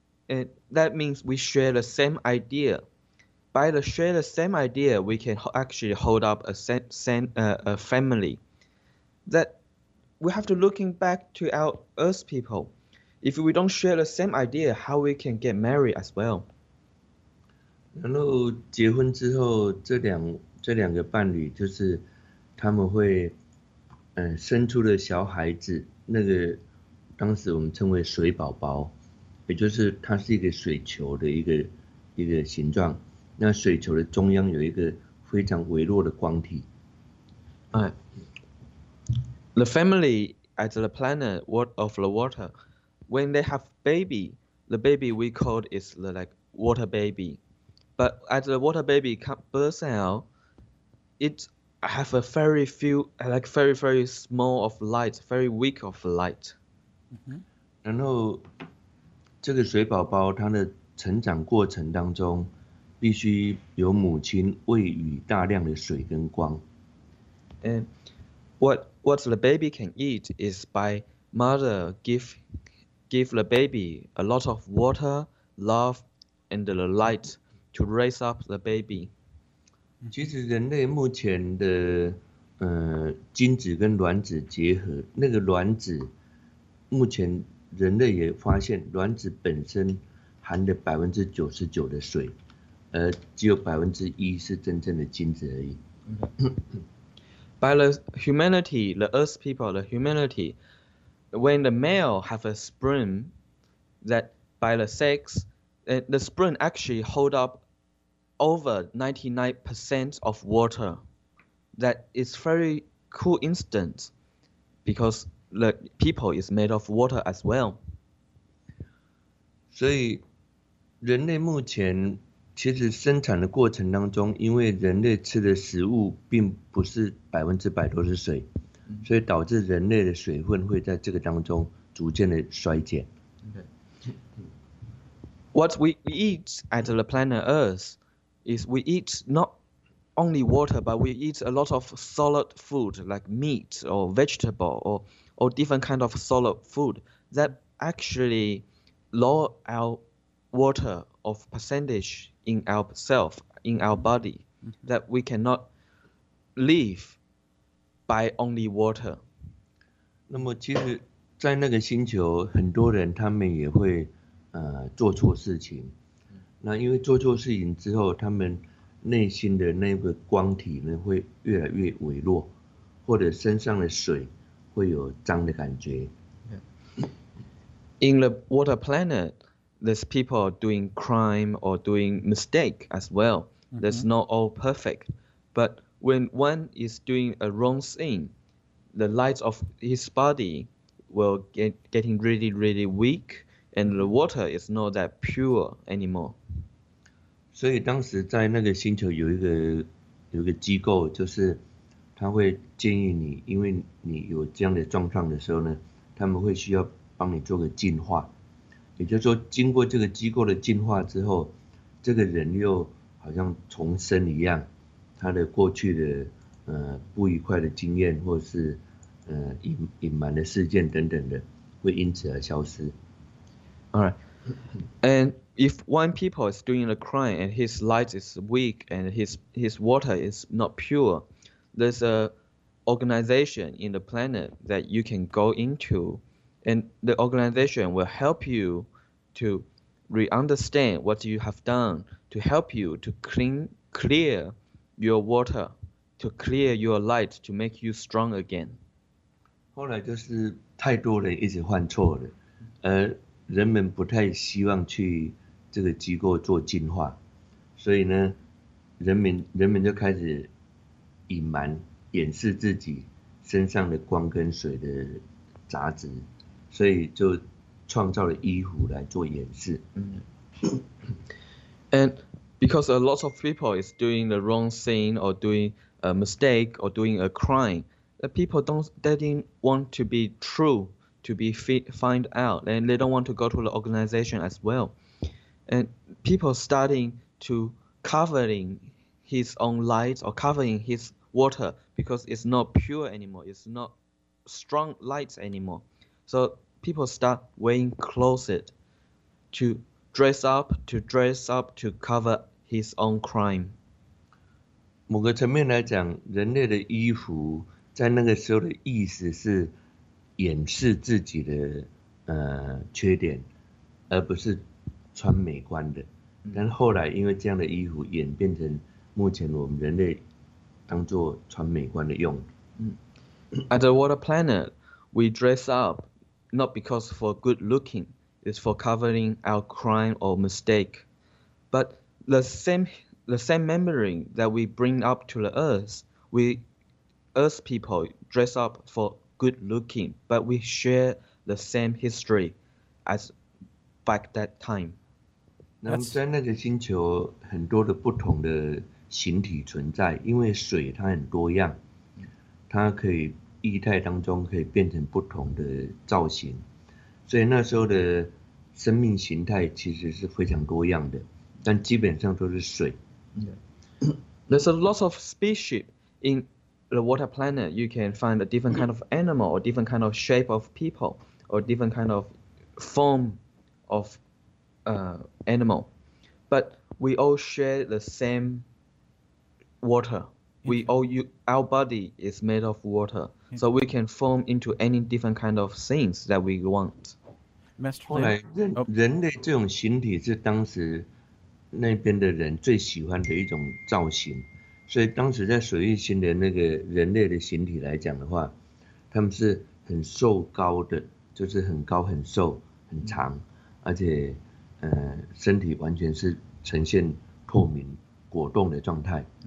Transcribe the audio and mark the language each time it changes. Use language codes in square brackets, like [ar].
[en] And that means we share the same idea. By the share the same idea, we can actually hold up a family. That we have to looking back to our Earth people. If we don't share the same idea, how we can get married as well? [zh] 然后结婚之后，这两个伴侣就是他们会，生出的小孩子，那个当时我们称为水宝宝，也就是它是一个水球的一个形状。那水球的中央有一个非常微弱的光体。 [en] The family at the planet world of the water. When they have baby, the baby we call is the like water baby. But as the water baby bursts out, it have a very few, like very, very small of light, very weak of light. [zh] 然后这个水宝宝它的成长过程当中必须由母亲喂予大量的水跟光。 [en] And what the baby can eat is by mother give the baby a lot of water, love, and the light to raise up the baby. [zh] 其实人类目前的精子跟卵子结合，那个卵子目前人类也发现卵子本身含的99%的水，而只有1%是真正的精子而已。 [en] By the humanity, the Earth people, the humanity,When the male have a sperm, that by the sex, the sperm actually hold up over 99% of water. That is very cool instant, because the people is made of water as well. [zh] 所以，人类目前其实生产的过程当中，因为人类吃的食物并不是100%都是水。所以导致人类的水分会在这个当中逐渐的衰减。 [en] What we eat at the planet Earth is we eat not only water, but we eat a lot of solid food like meat or vegetable or different kind of solid food that actually lower our water of percentage in ourselves, in our body, that we cannot live. By only water. [zh] 那么其实，在那个星球，很多人他们也会做错事情。那因为做错事情之后，他们内心的那个光体呢会越来越微弱，或者身上的水会有脏的感觉。 [en] In the water planet, there's people doing crime or doing mistake as well. That's not all perfect, but When one is doing a wrong thing, the light of his body will getting really, really weak, and the water is not that pure anymore. [zh] 所以当时在那个星球有一个机构，就是他会建议你，因为你有这样的状况的时候呢，他们会需要帮你做个净化。也就是说，经过这个机构的净化之后，这个人又好像重生一样。他的过去的不愉快的经验或是隐瞒的事件等等的会因此而消失。 [en] Alright. And if one people is doing a crime and his light is weak and his water is not pure, there's a organization in the planet that you can go into and the organization will help you to re-understand what you have done to help you to clear your water, to clear your light, to make you strong again. [zh] 后来就是太多人一直犯错了，而人们不太希望去这个机构做进化，所以呢，人们就开始隐瞒、掩饰自己身上的光跟水的杂质，所以就创造了衣服来做掩饰。 [en] And because a lot of people is doing the wrong thing or doing a mistake or doing a crime, the people didn't want to be true, to be find out, and they don't want to go to the organization as well. And people starting to covering his own light or covering his water because it's not pure anymore, it's not strong light anymore. So people start wearing clothes to dress up to cover his own crime. [zh] 某个层面来讲，人类的衣服在那个时候的意思是掩饰自己的缺点，而不是穿美观的。但后来因为这样的衣服演变成目前我们人类当作穿美观的用。 [en] At the water planet, we dress up not because for good looking, it's for covering our crime or mistake. But the same memory that we bring up to the earth, we earth people dress up for good looking, but we share the same history as back that time. [zh] 那么在那个星球，很多的不同的形体存在，因为水它很多样，它可以液态当中可以变成不同的造型，所以那时候的生命形态其实是非常多样的，但基本上都是水。 [en] There's a lot of species in the water planet. You can find a different kind of animal, or different kind of shape of people, or different kind of form of animal. But we all share the same water. Our body is made of water, so we can form into any different kind of things that we want. Master, [zh] 后来人类这种形体是当时那边的人最喜欢的一种造型，所以当时在水域星的那个人类的形体来讲的话，他们是很瘦高的，就是很高很瘦很长，而且身体完全是呈现透明果冻的状态。